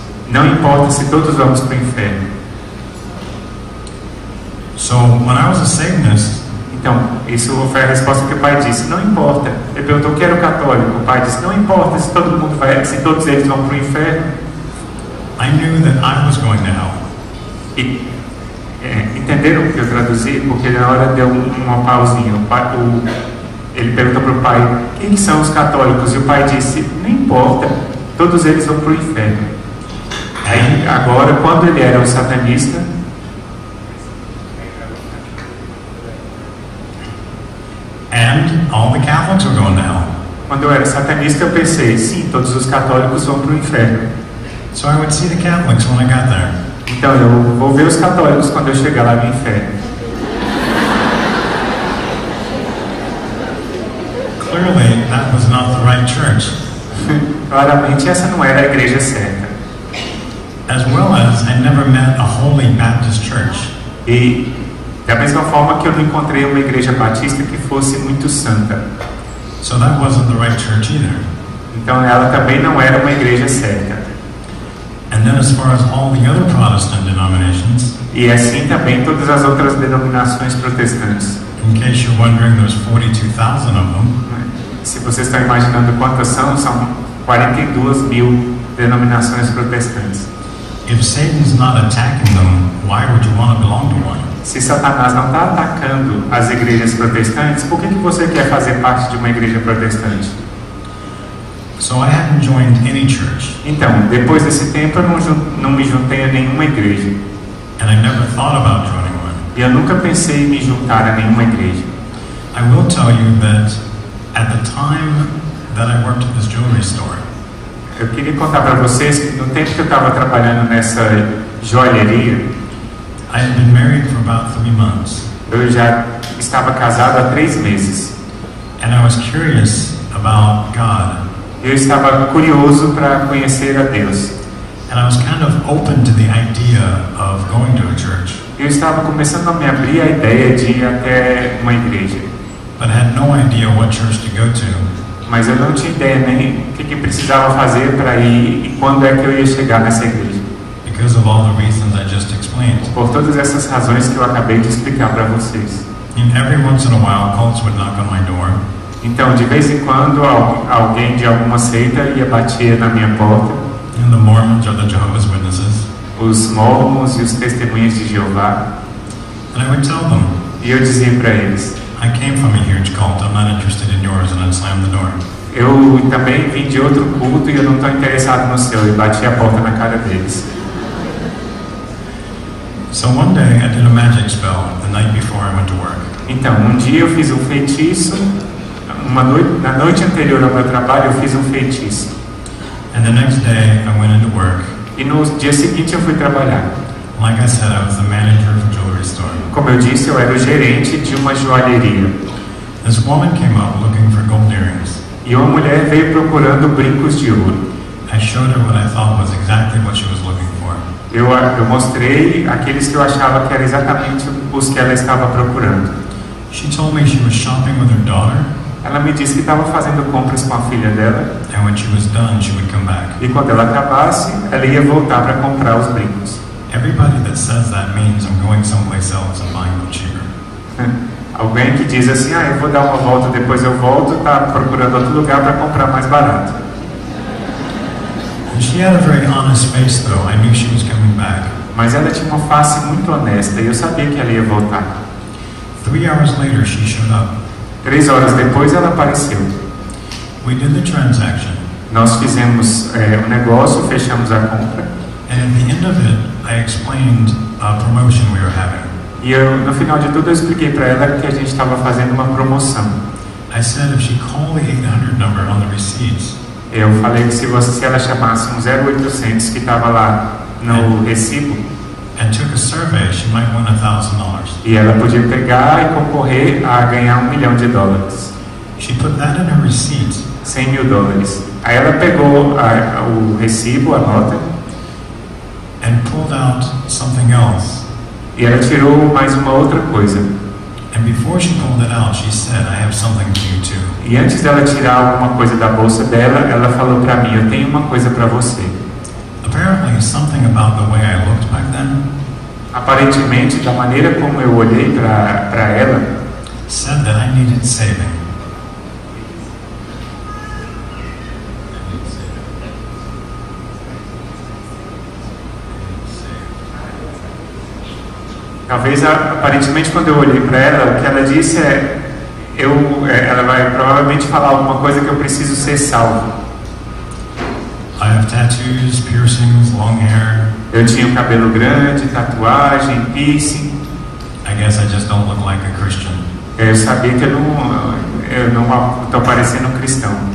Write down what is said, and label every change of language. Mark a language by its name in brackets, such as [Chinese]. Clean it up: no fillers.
[Portuguese] Não importa se todos vamos para o inferno. [English] So when I was a Satanist, [Portuguese] então, isso foi a resposta que o pai disse. Não importa. Ele perguntou, quero católico. O pai disse, não importa se todo mundo vai, se todos eles vão para o inferno. [English] I knew that I was going to hell. [Portuguese] Entenderam o que eu traduzi? Porque na hora deu uma pausinha. Ele perguntou para o pai, quem são os católicos? E o pai disse, não importa, todos eles vão para o inferno. Aí, agora, quando ele era um satanista, [English] and all the Catholics are going to hell. [Portuguese] Quando eu era satanista, eu pensei, sim, todos os católicos vão para o inferno. [English] So I would see the Catholics when I got there. [Portuguese] Então eu vou ver os católicos quando eu chegar lá no inferno. [English] Clearly, that was not the right church. [Portuguese] Claramente essa não era a igreja certa. [English] As well as I never met a Holy Baptist church. [Portuguese] E da mesma forma que eu não encontrei uma igreja batista que fosse muito santa. [English] So that wasn't the right church either. [Portuguese] Então ela também não era uma igreja certa. [English] And then as far as all the other Protestant denominations. [Portuguese] E assim também todas as outras denominações protestantes. [English] In case you're wondering, there's 42,000 of them. [Portuguese] Se você está imaginando quantas são 42,000 denominações protestantes. [English] If Satan's not attacking them, why would you want to belong to one? [Portuguese] Se Satanás não está atacando as igrejas protestantes, por que você quer fazer parte de uma igreja protestante? [English] So I hadn't joined any church. [Portuguese] Então, depois desse tempo, eu não me juntei a nenhuma igreja. [English] And I never thought about joining one. [Portuguese] E eu nunca pensei em me juntar a nenhuma igreja. [English] I will tell you that at the time that I worked at this jewelry store. [Portuguese] Eu queria contar para vocês que no tempo que eu estava trabalhando nessa joalheria, [English] I had been married for about 3 months. [Portuguese] Eu já estava casado há 3 meses. [English] And I was curious about God. [Portuguese] Eu estava curioso para conhecer a Deus. [English] And I was kind of open to the idea of going to a church. [Portuguese] Eu estava começando a me abrir a ideia de ir até uma igreja. [English] But I had no idea what church to go to. [Portuguese] Mas eu não tinha ideia nem o que precisava fazer para ir e quando é que eu ia chegar nessa igreja. [English] Because of all the reasons I just explained. [Portuguese] Por todas essas razões que eu acabei de explicar para vocês. [English] And every once in a while, cults would knock on my door. [Portuguese] Então, de vez em quando, alguém de alguma seita ia bater na minha porta. [English] And the Mormons or the Jehovah's Witnesses. [Portuguese] Os Mormons e os Testemunhas de Jeová. [English] And I would tell them. [Portuguese] E eu dizia para eles. [English] I came from a huge cult. I'm not interested in yours, and I slammed the door. [Portuguese] Eu também vim de outro culto e eu não estou interessado no seu. E bati a porta na cara deles. [English] So one day I did a magic spell the night before I went to work. [Portuguese] Então um dia eu fiz um feitiço. Na noite anterior ao meu trabalho eu fiz um feitiço. [English] And the next day I went into work. [Portuguese] E no dia seguinte eu fui trabalhar. [English] Like I said, I was the manager of a jewelry store. [Portuguese] Como eu disse, eu era o gerente de uma joalheria. [English] This woman came up looking for gold earrings. [Portuguese] E uma mulher veio procurando brincos de ouro. [English] I showed her what I thought was exactly what she was looking for. [Portuguese] Eu mostrei aqueles que eu achava que era exatamente os que ela estava procurando. [English] She told me she was shopping with her daughter. [Portuguese] Ela me disse que estava fazendo compras com a filha dela. [English] And when she was done, she would come back. [Portuguese] E quando ela acabasse, ela ia voltar para comprar os brincos. [English] Everybody that says that means I'm going someplace else and buying them cheaper. [Portuguese] Alguém que diz assim, ah, eu vou dar uma volta, depois eu volto, está procurando outro lugar para comprar mais barato. [English] And she had a very honest face, though. I knew she was coming back. [Portuguese] Mas ela tinha uma face muito honesta e eu sabia que ela ia voltar. [English] 3 hours later, she showed up. [Portuguese] 3 horas depois, ela apareceu. [English] We did the transaction. [Portuguese] Nós fizemos o negócio, fechamos a compra. [English] And at the end of it, I explained a promotion we were having. [Portuguese] E eu, no final de tudo, eu expliquei para ela que a gente estava fazendo uma promoção. [English] I said if she called the 800 number on the receipts. [Portuguese] Eu falei que se ela chamasse um 0800 que estava lá no recibo. [English] And took a survey, she might win $1,000. [Portuguese] E ela podia pegar e concorrer a ganhar $1,000,000. [English] She put that in her receipt. [Portuguese] $100,000. Aí ela pegou o recibo, a nota. [English] And pulled out something else. [Portuguese] E ela tirou mais uma outra coisa. [English] And before she pulled it out, she said, "I have something for you too." [Portuguese] E antes dela tirar alguma coisa da bolsa dela, ela falou para mim, "Eu tenho uma coisa para você." [English] Apparently, something about the way I looked back then. [Portuguese] aparentemente, da maneira como eu olhei para ela, [English] said that I needed saving. [Portuguese] Talvez, aparentemente, quando eu olhei para ela, o que ela disse é: ela vai provavelmente falar alguma coisa que eu preciso ser salvo. [English] I have tattoos, piercings, long hair. [Portuguese] Eu tinha um cabelo grande, tatuagem, piercing. [English] I guess I just don't look like a Christian. [Portuguese] Eu sabia que eu não tô parecendo um cristão.